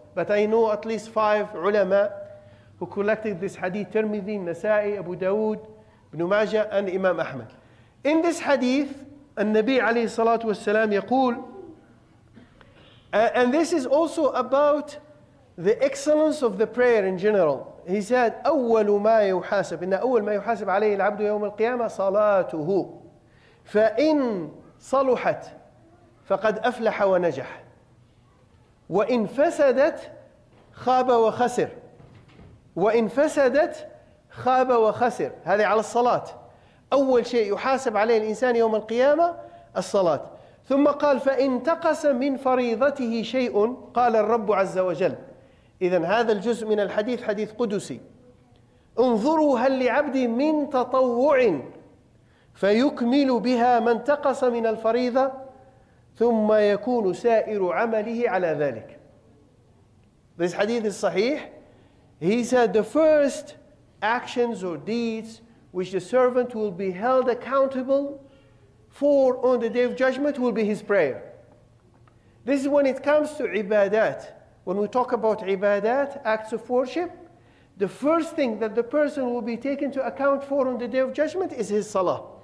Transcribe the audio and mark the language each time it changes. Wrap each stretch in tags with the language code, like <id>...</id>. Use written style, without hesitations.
<en>But I know at least 5 ulama who collected this hadith, Tirmidhi, Nasa'i, Abu Dawood, Ibn Majah, and Imam Ahmad. In this hadith, al-Nabi alayhi salatu wasalam yaqul, and this is also about the excellence of the prayer in general. He said,</en> <ar>أول ما يحاسب, إن أول ما يحاسب عليه العبد يوم القيامة صلاته فإن صلحت فقد أفلح ونجح وإن فسدت خاب وخسر وإن فسدت خاب وخسر. هذه على الصلاة. أول شيء يحاسب عليه الإنسان يوم القيامة الصلاة. ثم قال فإن تقص من فريضته شيء قال الرب عز وجل. إذن هذا الجزء من الحديث حديث قدسي. انظروا هل لعبدي من تطوع فيكمل بها من تقص من الفريضة ثم يكون سائر عمله على ذلك.</ar> <en>This hadith is صحيح. He said the first actions or deeds which the servant will be held accountable for on the Day of Judgment will be his prayer. This is when it comes to ibadat. When we talk about ibadat, acts of worship, the first thing that the person will be taken to account for on the Day of Judgment is his salah.</en>